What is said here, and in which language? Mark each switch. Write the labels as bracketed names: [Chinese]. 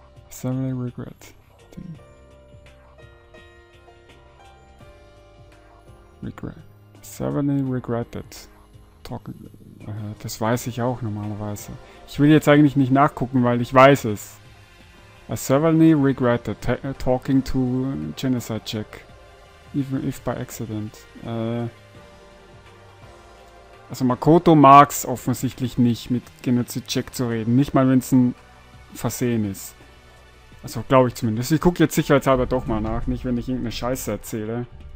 [English] Suddenly regret. Suddenly regretted. [German] Das weiß ich auch normalerweise. Ich will jetzt eigentlich nicht nachgucken, weil ich weiß es. [English] I suddenly regretted talking to Genocide Jack. Even if by accident. [German] Also Makoto mag es offensichtlich nicht, mit Genocide Jack zu reden. Nicht mal, wenn es ein Versehen ist. Also glaube ich zumindest. Ich gucke jetzt sicherheitshalber doch mal nach, nicht wenn ich irgendeine Scheiße erzähle.